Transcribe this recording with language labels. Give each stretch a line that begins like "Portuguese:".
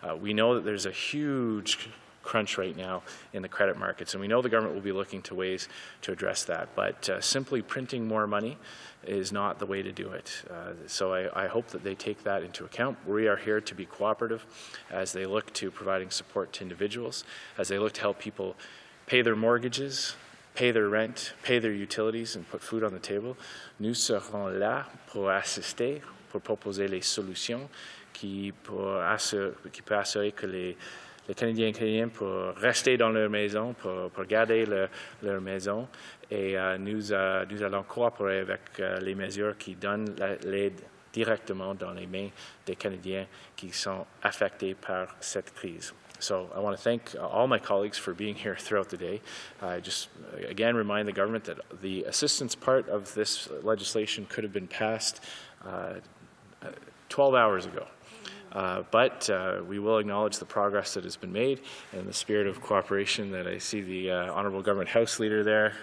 English: We know that there's a huge crunch right now in the credit markets, and we know the government will be looking to ways to address that, but simply printing more money is not the way to do it. So I hope that they take that into account. We are here to be cooperative as they look to providing support to individuals, as they look to help people pay their mortgages, pay their rent, pay their utilities, and put food on the table.
French: Nous serons là pour assister, pour proposer les solutions qui peuvent assurer que les les Canadiens et Canadiens pour rester dans leur maison, pour garder leur maison. Et nous allons coopérer avec les mesures qui donnent l'aide directement dans les mains des Canadiens qui sont affectés par cette crise.
English: So I want to thank all my colleagues for being here throughout the day. I just again remind the government that the assistance part of this legislation could have been passed 12 hours ago. But we will acknowledge the progress that has been made and the spirit of cooperation that I see the Honourable Government House Leader there.